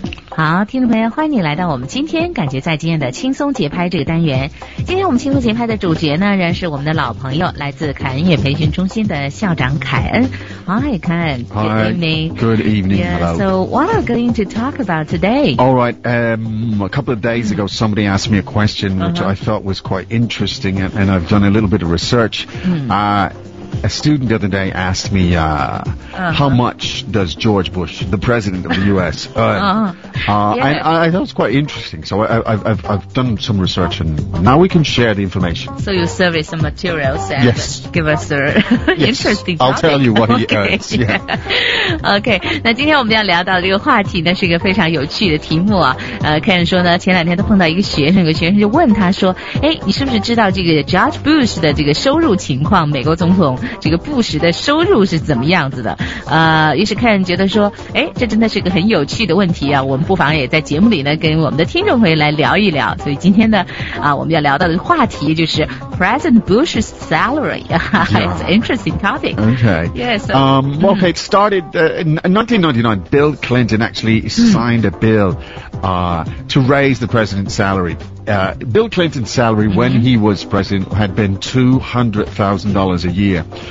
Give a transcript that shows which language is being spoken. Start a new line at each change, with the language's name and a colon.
Chinese: 好，听众朋友，欢迎你来到我们今天感觉在今天的轻松节拍这个单元。今天我们轻松节拍的主角呢，仍然是我们的老朋友，来自凯恩音乐培训中心的校长凯恩。
English: Hi, Ken. Good evening. Good evening. Yeah, hello. So what are we going to talk about today? All right. A couple of days ago, somebody asked me a question, which I thought was quite interesting, and I've done a little bit of research. A student the other day asked me, how much does George Bush, the president of the U.S., earn? And I thought it was quite interesting. So I've done some research, and now we can share the information. So you survey some materials and yes. give us an interesting topic. I'll tell you what he okay. earns. Yeah.
Chinese: Okay, 那今天我们要聊到这个话题呢，是一个非常有趣的题目啊。 Ken 说呢，前两天他碰到一个学生，有个学生就问他说，哎，你是不是知道这个 George Bush 的这个收入情况，美国总统这个布什的收入是怎么样子的？于是看觉得说，哎，这真的是个很有趣的问题啊！我们不妨也在节目里呢，跟我们的听众朋友来聊一聊。所以今天呢，我们要聊到的话题就是 President Bush's salary.
English: It's an interesting topic. Okay. Yes. Okay. It started in 1999. Bill Clinton actually signed a bill, to raise the president's salary. Bill Clinton's salary when he was president had been $200,000 a year.